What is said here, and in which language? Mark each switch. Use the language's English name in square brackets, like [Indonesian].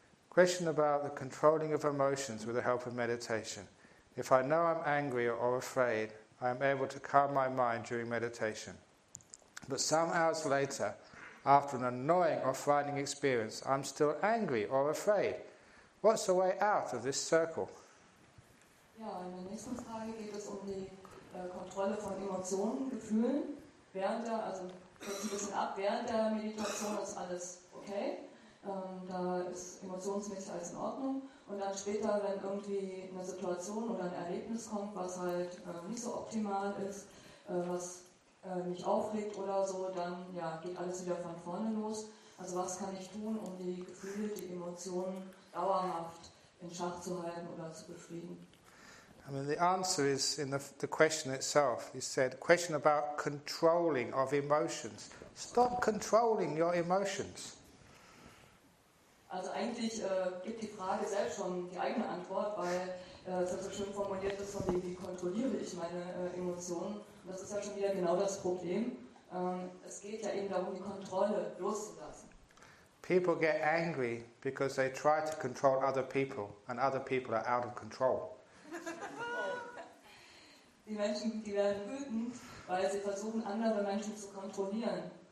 [English] Question about the controlling of emotions with the help of meditation. If I know I'm angry or afraid, I am able to calm my mind during meditation. But some hours later, after an annoying or frightening experience, I'm still angry or afraid. What's the way out of this circle? [German] Ja, in der nächsten Frage geht es um die Kontrolle von Emotionen, Gefühlen. Hört ein bisschen ab. Während der Meditation ist alles okay. Da ist emotionsmäßig alles in Ordnung. Und dann später, wenn irgendwie eine Situation oder ein Erlebnis kommt, was halt nicht so optimal ist, was mich aufregt oder so, dann ja, geht alles wieder von vorne los. Also was kann ich tun, um die Gefühle, die Emotionen dauerhaft in Schach zu halten oder zu befrieden? [English] I mean, the answer is in the question itself. You said, question about controlling of emotions. Stop controlling your emotions. [German] Also eigentlich gibt die Frage selbst schon die eigene Antwort, weil es so schön formuliert ist, von dem, wie kontrolliere ich meine Emotionen. Und das ist ja schon wieder genau das Problem. Es geht ja eben darum, die Kontrolle loszulassen. [English] People get angry because they try to control other people and other people are out of control. [German] Die Menschen, die werden wütend, weil sie versuchen, andere Menschen zu kontrollieren.